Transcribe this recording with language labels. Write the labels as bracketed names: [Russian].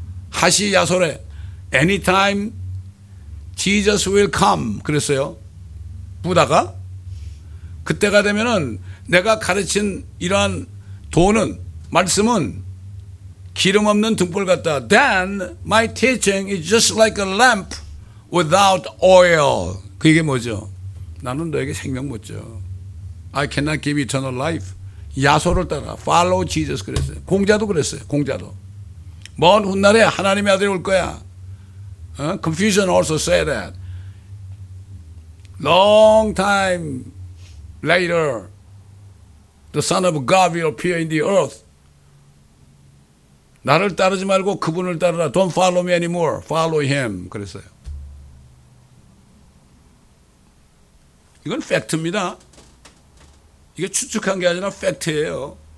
[Korean] 하시 야소래. [English] Anytime Jesus will come. [Korean] 그랬어요. 부다가. 그때가 되면은 내가 가르친 이러한 도는, 말씀은 기름 없는 등불 같다. [English] Then my teaching is just like a lamp. Without oil. [Korean] 그게 뭐죠? 나는 너에게 생명 못 줘. [English] I cannot give eternal life. [Korean] 야소를 따라. [English] Follow Jesus [Korean] 그랬어요. 공자도 그랬어요. 공자도. 먼 훗날에 하나님의 아들이 올 거야. 어? [English] Confucian also said that. Long time later, the Son of God will appear in the earth. [Korean] 나를 따르지 말고 그분을 따르라. [English] Don't follow me anymore. Follow him. [Korean] 그랬어요. 이건 팩트입니다. 이게 추측한 게 아니라 팩트예요.